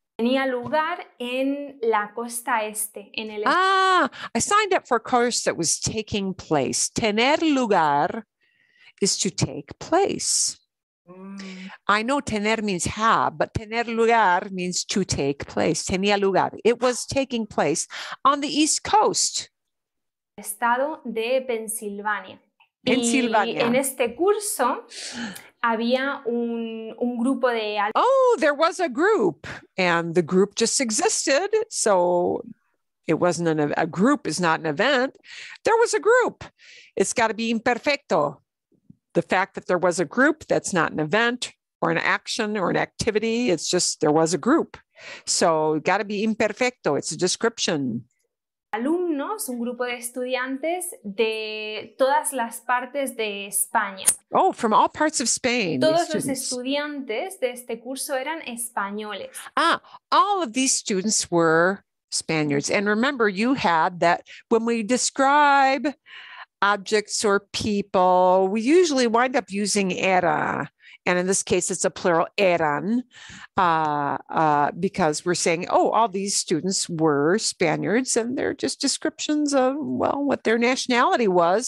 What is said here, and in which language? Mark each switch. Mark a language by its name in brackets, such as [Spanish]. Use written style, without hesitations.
[Spanish] Tenía lugar en la costa este, en el. [English] I signed up for a course that was taking place. Tener lugar is to take place. I know tener means have, but tener lugar means to take place. Tenía lugar. It was taking place on the East Coast. [Spanish] Estado de Pensilvania. Pensilvania. Y en este curso había un grupo de. [English] There was a group, and the group just existed. So it wasn't a group is not an event. There was a group. It's got to be imperfecto. The fact that there was a group, that's not an event or an action or an activity. It's just there was a group. So got to be imperfecto. It's a description. [Spanish] Alumnos, un grupo de estudiantes de todas las partes de España. [English] Oh, from all parts of Spain. [Spanish] Todos los estudiantes de este curso eran españoles. [English] All of these students were Spaniards. And remember, you had that when we describe objects or people, we usually wind up using era. And in this case, it's a plural, eran, because we're saying, oh, all these students were Spaniards, and they're just descriptions of, well, what their nationality was.